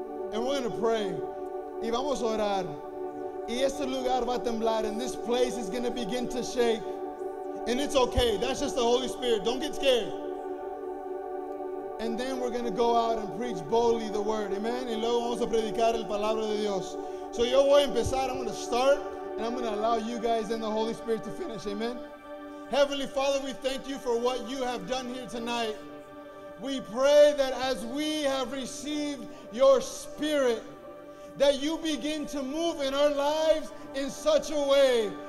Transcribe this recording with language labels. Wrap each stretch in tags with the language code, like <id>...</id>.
<en>And we're going to pray.</en> <es>Y vamos a orar. Y este lugar va a temblar,</es> <en>and this place is going to begin to shake. And it's okay. That's just the Holy Spirit. Don't get scared. And then we're going to go out and preach boldly the word. Amen?</en> <es>Y luego vamos a predicar la palabra de Dios.</es> <en>So</en> <es>yo voy a empezar.</es> <en>I'm going to start. And I'm going to allow you guys and the Holy Spirit to finish. Amen? Heavenly Father, we thank you for what you have done here tonight. We pray that as we have received your Spirit, that you begin to move in our lives in such a way</en>